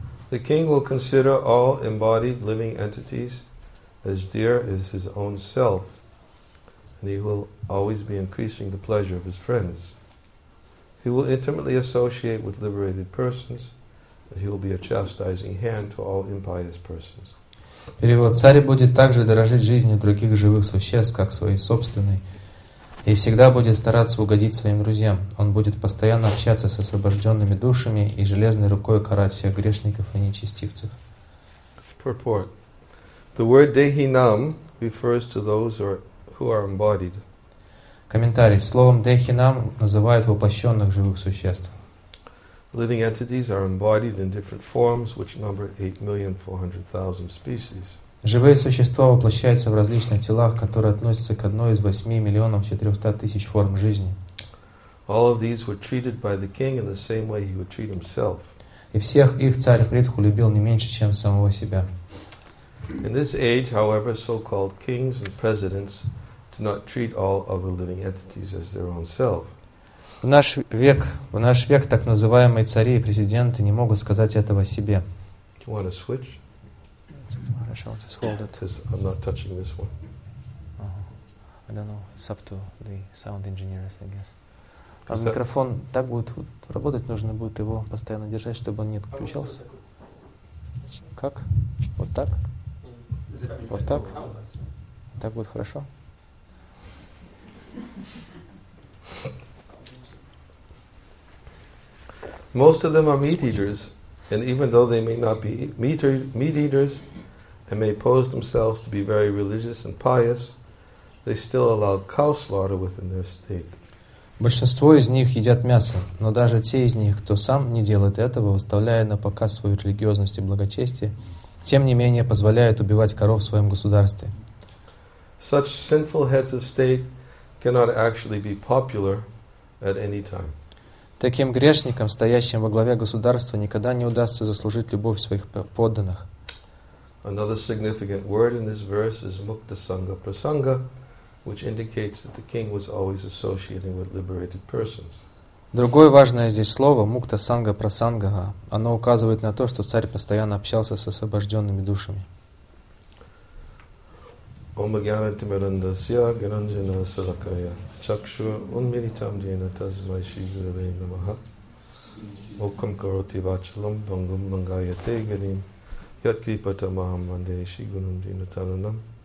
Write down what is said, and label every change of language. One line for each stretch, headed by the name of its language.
English: The king will consider all embodied living entities as dear as his own self, and he will always be increasing the pleasure of his friends. He will intimately associate with liberated persons, and he will be a chastising hand to all impious persons.
Russian: Перевод. Царь будет также дорожить жизнью других живых существ, как своей собственной, и всегда будет стараться угодить своим друзьям. Он будет постоянно общаться с освобожденными душами и железной рукой карать всех грешников и нечестивцев.
English: Purport. The word Dehinam refers to those who are embodied.
Russian: Комментарий. Словом Dehinam называют воплощенных живых существ.
English: Living entities are embodied in different forms, which number 8,400,000 species.
Russian: Живые существа воплощаются в различных телах, которые относятся к одной из 8,400,000 форм жизни.
English: All of these were treated by the king in the same way he would treat himself.
Russian: И всех их царь Притху любил не меньше, чем самого себя.
English: In this age, however, so-called kings and presidents do not treat all other living entities as their own self.
Russian: В наш век так называемые цари и президенты не могут сказать этого себе.
English: Do you want to switch?
Russian: Хорошо,
English: just hold it. I'm not touching this one. I don't know. It's up to the sound engineers, I guess.
Russian: А микрофон так будет работать, нужно будет его постоянно держать, чтобы он не отключался. Как? Вот так? Вот так? Так будет хорошо?
English: Most of them are meat eaters, and even though they may not be meat eaters and may pose themselves to be very religious and pious, they still allow cow slaughter within their state.
Russian: Большинство из них едят мясо, но даже те из них, кто сам не делает этого, выставляя на показ свою религиозность и благочестие, тем не менее позволяют убивать коров в своем государстве.
English: Such sinful heads of state cannot actually be popular at any time.
Russian: Таким грешникам, стоящим во главе государства, никогда не удастся заслужить любовь своих подданных.
English: Another significant word in this verse is Muktasanga Prasanga, which indicates that the king was always associating with liberated persons.
Russian: Другое важное здесь слово Muktasanga Prasanga. Оно указывает на то, что царь постоянно общался с освобожденными душами.
Sanskrit: Om Agyanati Mirandasya Giranjana Sarakaya Chakshur Unmiritam Dhyena Tasmai Shri Gurave Namaha Mokam Karoti Vachalam Bhangam Mangayate Garim Yatkripata Mahamande Shri Gunam Dhyena Taranam